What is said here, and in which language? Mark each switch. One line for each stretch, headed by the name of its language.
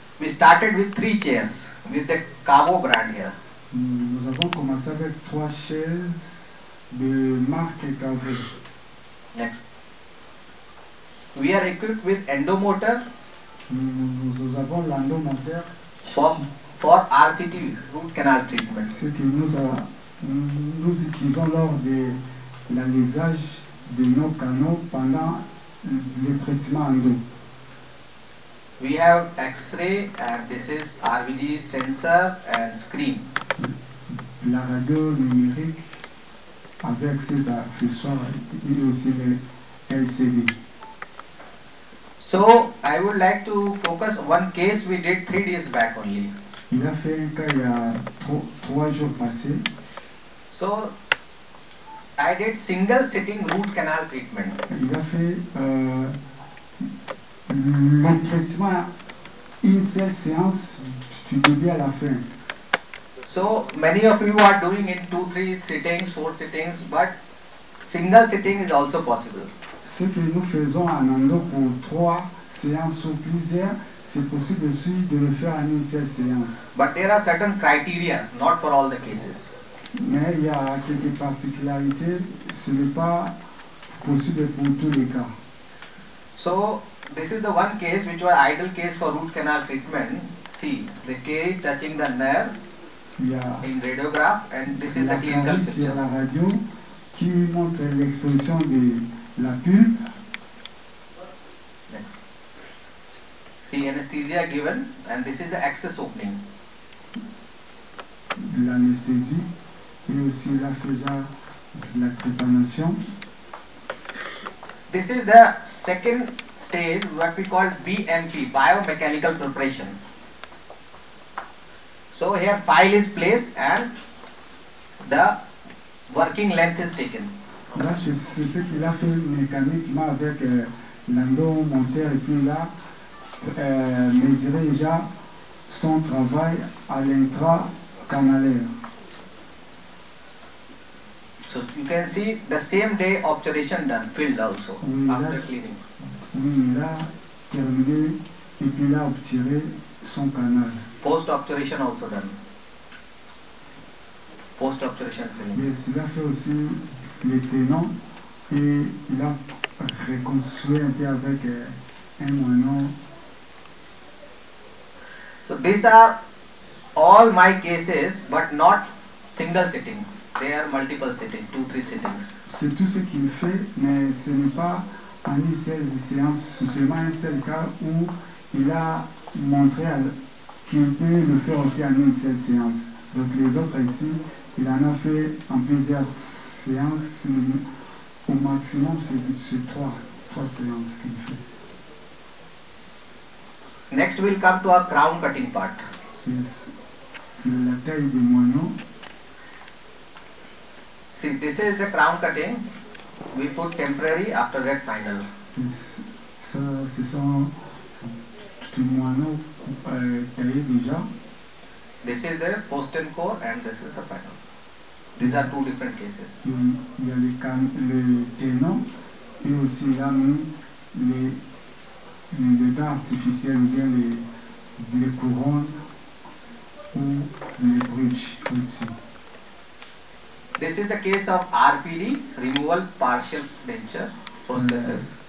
English: We started with three chairs, with the Cabo brand here.
French: Nous avons commencé avec trois chaises de marque Cabo.
English: Next. We are equipped with endomotor.
French: Nous avons l'endomoteur.
English: For RCT, root canal treatment.
French: Ce que nous utilisons lors de l'alésage de nos canaux pendant le traitement endo.
English: We have X-ray and this is RVD sensor and screen.
French: La radio numérique avec ses accessoires et aussi les LCD.
English: So, I would like to focus one case we did 3 days back only.
French: Il a fait un cas il y a 3 jours passés.
English: So, I did single sitting root canal treatment.
French: Il a fait le traitement une seule séance du début à la fin.
English: So, many of you are doing it 2, 3 sittings, 4 sittings, but single sitting is also possible.
French: Ce que nous faisons en endo pour 3 séances ou plusieurs, c'est possible aussi de le faire en une seule séance.
English: But there are certain criteria, not for all the cases.
French: Mais il y a quelques particularités, ce n'est pas possible pour tous les cas.
English: So, this is the one case which was ideal case for root canal treatment. See, the case touching the nerve in radiograph and this is the clinical picture.
French: C'est la radio qui montre l'exposition de la pulpe.
English: See, anesthesia given, and this is the access opening.
French: L'anesthésie, et aussi la faisant la trépanation.
English: This is the second stage, what we call BMP, biomechanical preparation. So here file is placed and the working length is taken.
French: Là, c'est ce qu'il a fait mécaniquement avec l'endomoteur et puis là, mesurer déjà son travail à l'intracanalaire.
English: So you can see the same day obturation done, filled also, oui, after cleaning.
French: Oui, il a terminé et puis il a obturé son canal.
English: Post-obturation also done. Post-obturation filling. Yes,
French: il a fait aussi les tenons et il a reconstruit un peu avec un moignon.
English: So these are all my cases, but not single sitting. They are multiple sitting, 2, 3 sittings.
French: C'est tout ce qu'il fait, mais ce n'est pas en une seule séance. C'est seulement un seul cas où il a montré qu'il peut le faire aussi en une seule séance. Donc les autres ici, il en a fait en plusieurs séances. Au maximum, c'est 3 séances qu'il fait.
English: Next, we'll come to our crown cutting part. Yes,
French: la taille du moignon.
English: See, this is the crown cutting. We put temporary, after that final. Yes,
French: ça, ce sont du moignon taillé déjà.
English: This is the postern core and this is the final. These are 2 different cases.
French: Il y a le tenon et aussi là, le dents artificiel ou bien les couronnes ou les bridges aussi.
English: This is the case of RPD, removal partial denture processes.